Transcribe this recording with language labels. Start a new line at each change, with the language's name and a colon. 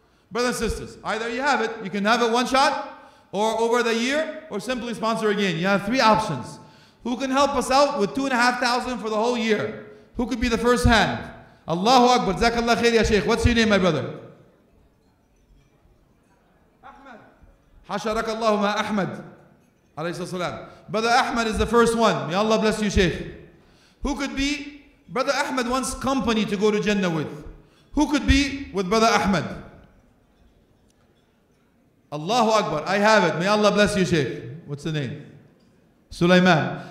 English: Brothers and sisters, either you have it, you can have it one shot, or over the year, or simply sponsor again. You have three options. Who can help us out with 2,500 for the whole year? Who could be the first hand? Allahu Akbar. Zakallah khair ya Sheikh. What's your name, my brother?
Arabic: حشرك الله ما أحمد عليه الصلاة والسلام.
English: Brother Ahmed is the first one. May Allah bless you, Shaykh. Who could be? Brother Ahmed wants company to go to Jannah with. Who could be with Brother Ahmed? Allahu Akbar. I have it. May Allah bless you, Shaykh. What's the name? Sulaiman.